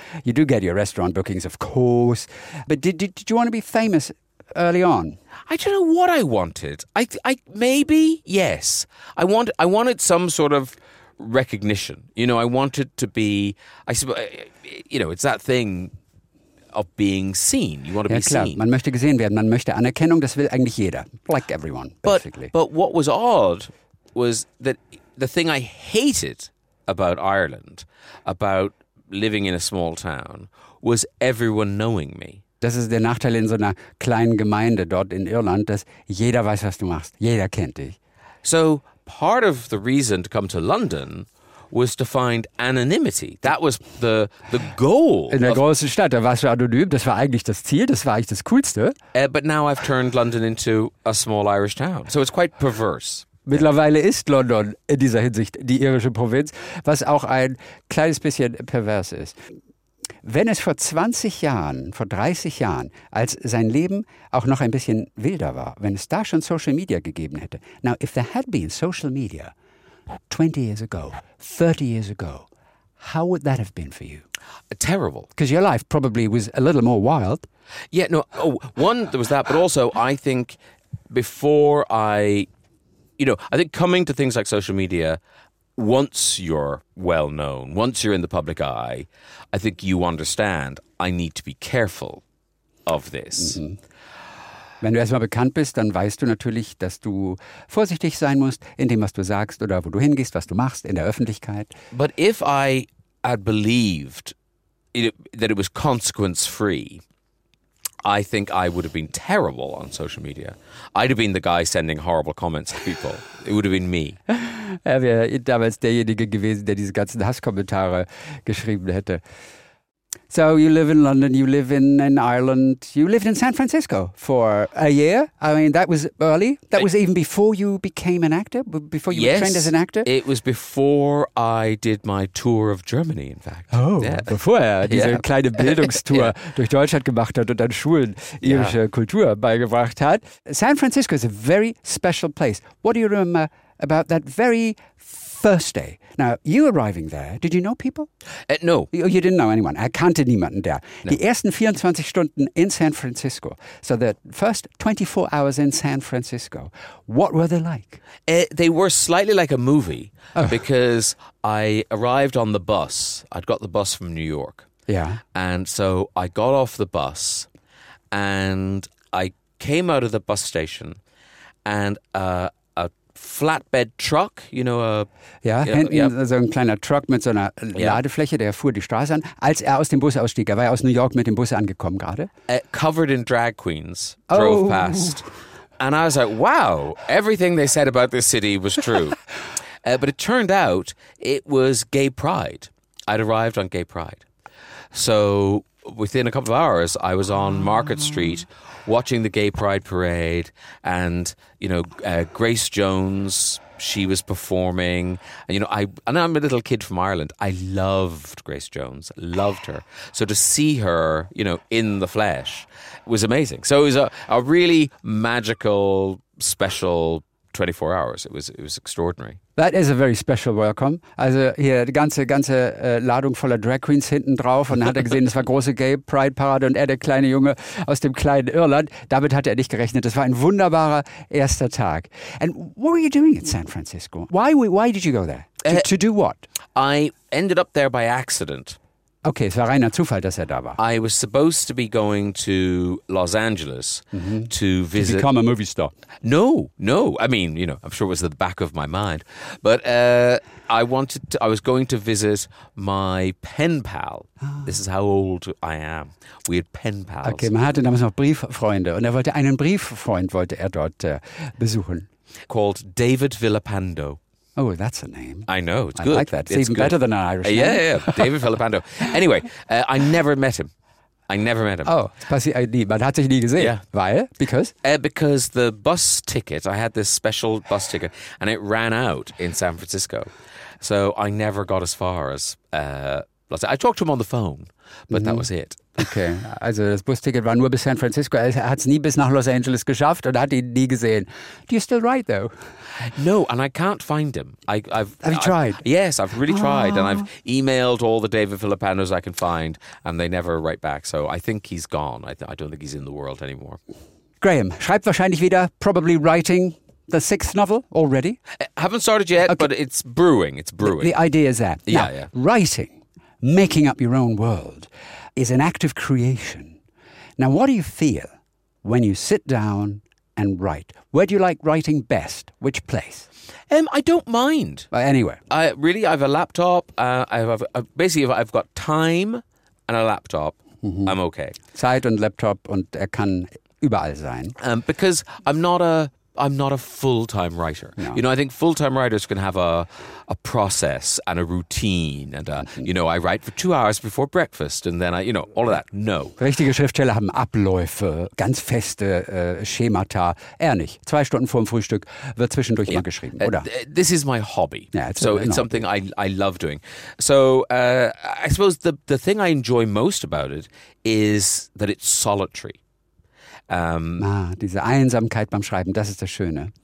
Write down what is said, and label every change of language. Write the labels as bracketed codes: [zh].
[en] You do get your restaurant bookings, of course, but did you want to be famous early on? I don't know what I wanted. Maybe, yes. I wanted some sort of recognition. You know, I wanted to be, I suppose, you know, it's that thing of being seen. You want to be seen. [de] Man möchte gesehen werden, man möchte Anerkennung, das will eigentlich jeder. [en] Like everyone, basically. But what was odd was that the thing I hated about Ireland, about living in a small town, was everyone knowing me. [de] Das ist der Nachteil in so einer kleinen Gemeinde dort in Irland, dass jeder weiß, was du machst. Jeder kennt dich. [en] So part of the reason to come to London was to find anonymity. That was the goal. [de] In der großen Stadt, da warst du anonym. Das war eigentlich das Ziel, das war eigentlich das Coolste. [en] But now I've turned London into a small Irish town. So it's quite perverse. [de] Mittlerweile ist London in dieser Hinsicht die irische Provinz, was auch ein kleines bisschen pervers ist. Wenn es vor 20 Jahren, vor 30 Jahren, als sein Leben auch noch ein bisschen wilder war, wenn es da schon Social Media gegeben hätte. [en] Now, if there had been social media 20 years ago, 30 years ago, how would that have been for you? Terrible. Because your life probably was a little more wild. Yeah, no, there was that, but also I think before I think coming to things like social media, once you're well known, once you're in the public eye, I think you understand I need to be careful of this. Mm-hmm. [de] Wenn du erstmal bekannt bist, dann weißt du natürlich, dass du vorsichtig sein musst in dem, was du sagst oder wo du hingehst, was du machst in der Öffentlichkeit. [en] But if I had believed that it was consequence-free, I think I would have been terrible on social media. I'd have been the guy sending horrible comments to people. It would have been me. [de] Er wäre damals derjenige gewesen, der diese ganzen Hasskommentare geschrieben hätte. [en] So you live in London, you live in Ireland, you lived in San Francisco for a year. I mean, that was early. That was even before you became an actor, before you were trained as an actor. It was before I did my tour of Germany, in fact. Oh, yeah. [de] Bevor er diese kleine Bildungstour durch Deutschland gemacht hat und an Schulen irische Kultur beigebracht hat. [en] San Francisco is a very special place. What do you remember about that very first day? Now, you arriving there, did you know people? No. You didn't know anyone. [de] Er kannte niemanden da. No. Die ersten 24 Stunden in San Francisco. [en] So the first 24 hours in San Francisco. What were they like? They were slightly like a movie because I arrived on the bus. I'd got the bus from New York. Yeah. And so I got off the bus and I came out of the bus station and flatbed truck, you know. [de] So ein kleiner Truck mit so einer Ladefläche, der fuhr die Straße an, als er aus dem Bus ausstieg. Er war ja aus New York mit dem Bus angekommen gerade. [en] Covered in drag queens drove past. And I was like, wow, everything they said about this city was true. But it turned out it was Gay Pride. I'd arrived on Gay Pride. So within a couple of hours, I was on Market Street watching the gay pride parade, and you know, Grace Jones, she was performing, and you know, I'm a little kid from Ireland. I loved Grace Jones, loved her. So to see her, you know, in the flesh, was amazing. So it was a really magical, special 24 hours. It was extraordinary. That is a very special welcome. [de] Also hier die ganze Ladung voller Drag Queens hinten drauf, und dann hat er gesehen, es war große Gay Pride Parade, und er, der kleine Junge aus dem kleinen Irland, damit hatte er nicht gerechnet. Das war ein wunderbarer erster Tag. [en] And what were you doing in San Francisco? Why did you go there? To do what? I ended up there by accident. [de] Okay, es war reiner Zufall, dass er da war. [en] I was supposed to be going to Los Angeles to visit... To become a movie star. No, no. I mean, you know, I'm sure it was at the back of my mind. But I was going to visit my pen pal. This is how old I am. We had pen pals. [de] Okay, man hatte damals noch Brieffreunde. Und er wollte einen Brieffreund wollte er dort besuchen. [en] Called David Villapando. Oh, that's a name. I know, it's I good. I like that. It's even good. Better than an Irish name. Yeah, yeah, David Villapando. Anyway, I never met him. [de] Oh, man hat sich nie gesehen. [en] Yeah. Why? Because? Because the bus ticket, I had this special bus ticket, and it ran out in San Francisco. So I never got as far as, I talked to him on the phone, but that was it. [de] Okay, also das Busticket war nur bis San Francisco. Er hat es nie bis nach Los Angeles geschafft und hat ihn nie gesehen. [en] Do you still write, though? No, and I can't find him. Have you tried? Yes, I've really tried. And I've emailed all the David Villapandos I can find, and they never write back. So I think he's gone. I don't think he's in the world anymore. Graham, [de] schreibt wahrscheinlich wieder, [en] probably writing the sixth novel already? I haven't started yet, okay. But it's brewing. It's brewing. The idea is that. Yeah, now, yeah. Writing, making up your own world, is an act of creation. Now, what do you feel when you sit down and write? Where do you like writing best? Which place? I don't mind. Anywhere. I have a laptop. I've got time and a laptop. Mm-hmm. I'm okay. [de] Zeit und Laptop, und er kann überall sein. [en] Because I'm not a full-time writer. No. You know, I think full-time writers can have a process and a routine and, you know, I write for 2 hours before breakfast and then I, you know, all of that. No. [de] Richtige Schriftsteller haben Abläufe, ganz feste Schemata. Er nicht. 2 Stunden vor dem Frühstück wird zwischendurch mal geschrieben, oder? [en] This is my hobby. Yeah, it's so a, it's something I love doing. So I suppose the thing I enjoy most about it is that it's solitary. [de] Diese Einsamkeit beim Schreiben, das ist das Schöne.